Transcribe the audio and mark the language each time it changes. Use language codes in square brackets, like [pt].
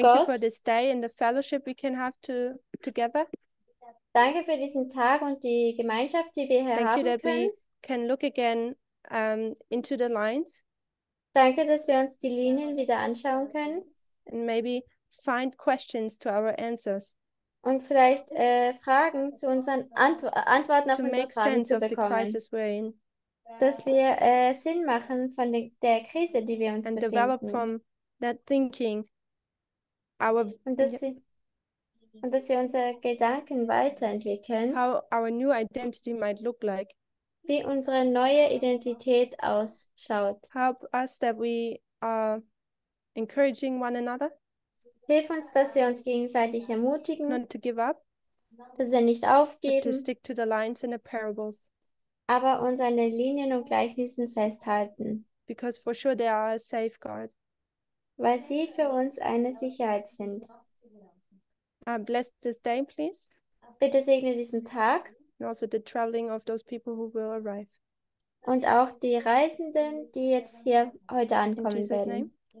[en] Thank you for this day and the fellowship we can have together. [de] Danke für diesen Tag und die Gemeinschaft, die wir hier haben können. [en] Thank you that we can look again into the lines. [de] Danke, dass wir uns die Linien wieder anschauen können. [en] And maybe find questions to our answers. [de] Und vielleicht Fragen zu unseren Antworten auf unsere Fragen zu bekommen. [en] To make sense of the crisis we're in. [de] Dass wir Sinn machen von der Krise, die wir uns befinden. [en] And develop from that thinking our... [de] Und dass wir unsere Gedanken weiterentwickeln. [en] How our new identity might look like. [de] Wie unsere neue Identität ausschaut. [en] Help us that we are encouraging one another. [de] Hilf uns, dass wir uns gegenseitig ermutigen. [en] Not to give up. [de] Dass wir nicht aufgeben. [en] But to stick to the lines and the parables. [de] Aber uns an den Linien und Gleichnissen festhalten. [en] Because for sure they are a safeguard. [de] Weil sie für uns eine Sicherheit sind. [en] Bless this day, please. [de] Bitte segne diesen Tag. [en] And also the traveling of those people who will arrive. [de] Und auch die Reisenden, die jetzt hier heute ankommen werden.